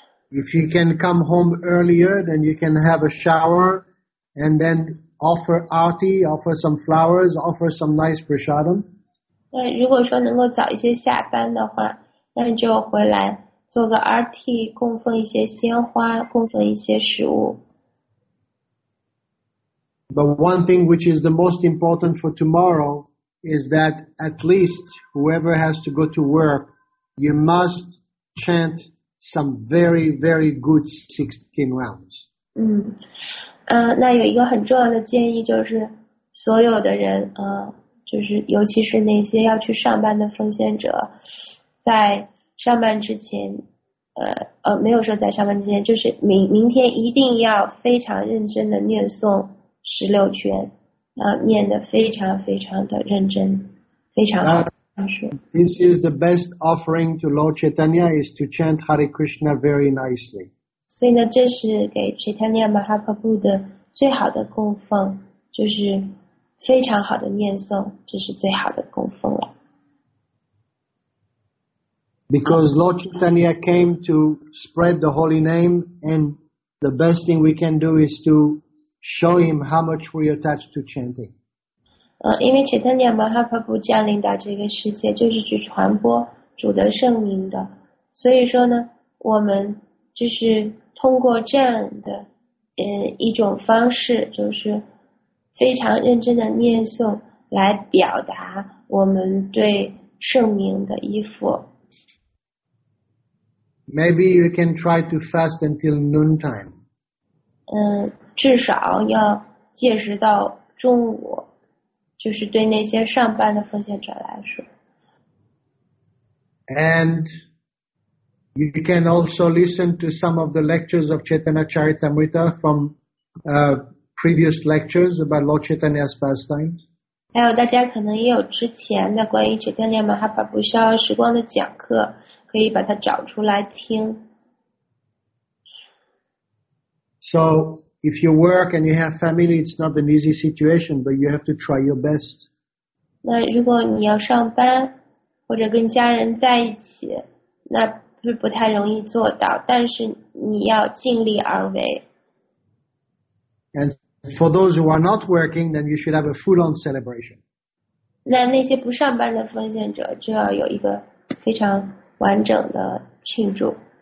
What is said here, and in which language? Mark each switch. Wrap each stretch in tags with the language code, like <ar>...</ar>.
<en>If you can come home earlier, then you can have a shower and then offer aarti, offer some flowers, offer some nice prasadam.</en> <zh>如果说能够早一些下班的话，那就回来做个 aarti, 供奉一些鲜花，供奉一些食物。</zh> <en>But one thing which is the most important for tomorrow is that at least whoever has to go to work, you must chant some very, very good 16 rounds.</en> <zh>那有一个很重要的建议就是所有的人就是尤其是那些要去上班的奉献者在上班之前没有说在上班之前就是明天一定要非常认真的念诵十六圈念得非常非常的认真非常好。</zh> <en>This is the best offering to Lord Chaitanya is to chant Hare Krishna very nicely.</en> <zh>所以呢，这是给 Chaitanya Mahaprabhu 的最好的供奉，就是非常好的念诵，这是最好的供奉了。</zh> <en>Because Lord Chaitanya came to spread the holy name, and the best thing we can do is to show him how much we attach to chanting.</en> <zh>因为切特尼亚摩哈帕布降临到这个世界就是去传播主的圣名的所以说呢我们就是通过这样的一种方式就是非常认真的念诵来表达我们对圣名的依附</zh> <en>Maybe you can try to fast until noontime</en> <zh>至少要戒食到中午就是对那些上班的奉献者来说。</zh> <en>And you can also listen to some of the lectures of Chaitanya Charitamrita from previous lectures about Lord Chaitanya's pastimes.</en> <zh>还有大家可能也有之前的关于 Chaitanya Mahaprabhu 逍遥时光的讲课，可以把它找出来听。</zh> <en>So. If you work and you have family, it's not an easy situation, but you have to try your best.</en> <zh>那如果你要上班或者跟家人在一起，那是不太容易做到，但是你要尽力而为。</zh> <en>And for those who are not working, then you should have a full-on celebration.</en> <zh>那那些不上班的奉献者就要有一个非常完整的庆祝。</zh>